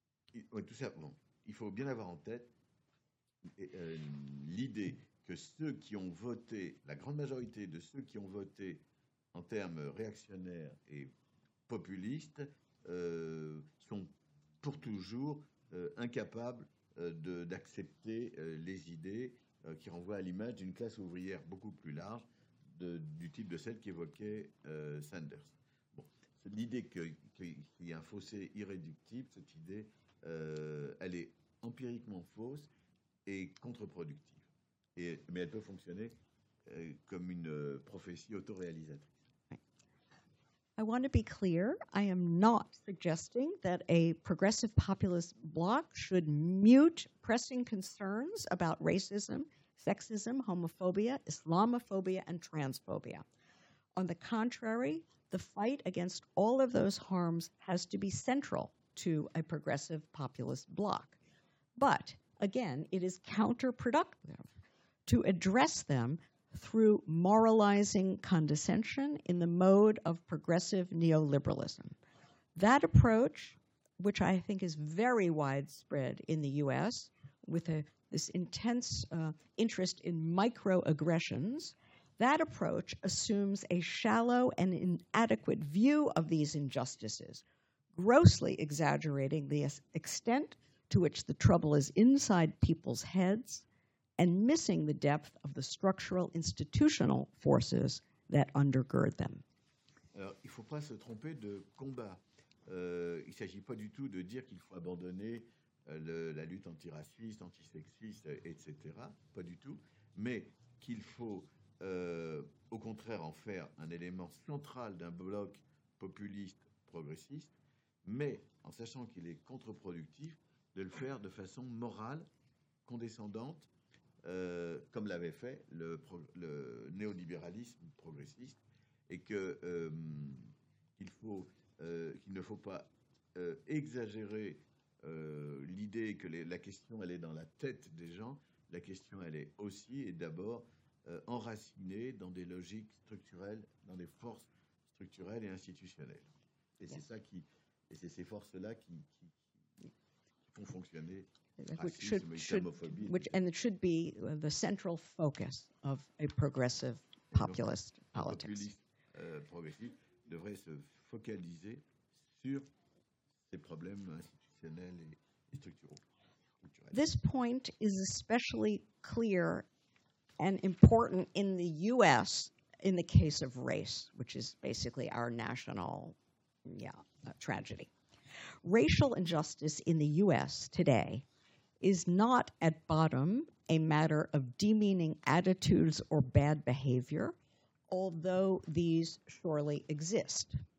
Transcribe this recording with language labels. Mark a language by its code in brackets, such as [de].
[fr] tout simplement, il faut bien avoir en tête l'idée que ceux qui ont voté, la grande majorité de ceux qui ont voté en termes réactionnaires et populistes, sont pour toujours incapables d'accepter les idées qui renvoient à l'image d'une classe ouvrière beaucoup plus large du type de celle qu'évoquait Sanders. Bon, l'idée qu'il y a un fossé irréductible, cette idée, elle est empiriquement fausse et contre-productive. Mais elle peut fonctionner comme une prophétie autoréalisatrice. [en] I want to be clear, I am not suggesting that a progressive populist bloc should mute pressing concerns about racism, sexism, homophobia, Islamophobia, and transphobia. On the contrary, the fight against all of those harms has to be central to a progressive populist bloc. But again, it is counterproductive to address them through moralizing condescension in the mode of progressive neoliberalism. That approach, which I think is very widespread in the US, with this intense interest in microaggressions, that approach assumes a shallow and inadequate view of these injustices, grossly exaggerating the extent to which the trouble is inside people's heads, and missing the depth of the structural institutional forces that undergird them. [fr] Alors, il ne faut pas se tromper de combat. Il ne s'agit pas du tout de dire qu'il faut abandonner la lutte antiraciste, antisexiste, etc. Pas du tout. Mais qu'il faut, au contraire, en faire un élément central d'un bloc populiste progressiste, mais en sachant qu'il est contre-productif, de le faire de façon morale, condescendante, comme l'avait fait le néolibéralisme progressiste, et qu'il ne faut pas exagérer l'idée que la question elle est dans la tête des gens. La question elle est aussi et d'abord enracinée dans des logiques structurelles, dans des forces structurelles et institutionnelles. Et yeah. C'est ces forces-là qui font fonctionner. [en] It should be the central focus of a progressive populist politics. [fr] Populiste progressif devrait se focaliser sur ces problèmes institutionnels. institutionnels et structurels. [en] This point is especially clear and important in the U.S. in the case of race, which is basically our national tragedy. Racial injustice in the U.S. today is not at bottom a matter of demeaning attitudes or bad behavior, although these surely exist.